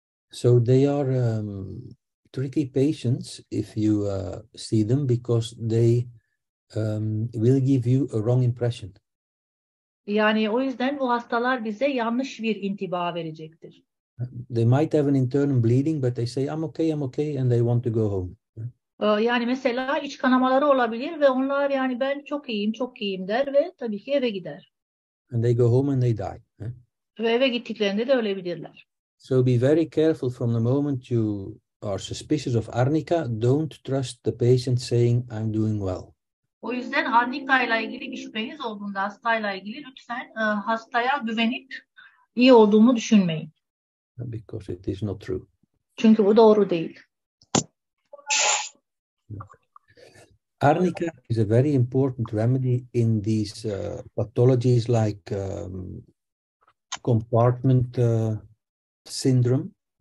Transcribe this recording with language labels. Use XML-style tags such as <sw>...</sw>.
<en>So they are tricky patients if you see them, because they will give you a wrong impression.</en> <tr>Yani o yüzden bu hastalar bize yanlış bir intiba verecektir.</tr> <en>They might have an internal bleeding, but they say, I'm okay, and they want to go home.</en> <tr>Yani mesela iç kanamaları olabilir ve onlar yani ben çok iyiyim der ve tabii ki eve gider.</tr> <en>And they go home and they die.</en> <tr>Ve eve gittiklerinde de ölebilirler.</tr> <en>So be very careful from the moment you are suspicious of Arnica. Don't trust the patient saying, I'm doing well.</en> <tr>O yüzden Arnica ile ilgili bir şüpheniz olduğunda hastayla ilgili lütfen hastaya güvenip iyi olduğumu düşünmeyin.</tr> <en>Because it is not true.</en> <tr>Çünkü bu doğru değil.</tr> <en>Arnica is a very important remedy in these pathologies like compartment syndrome.</en>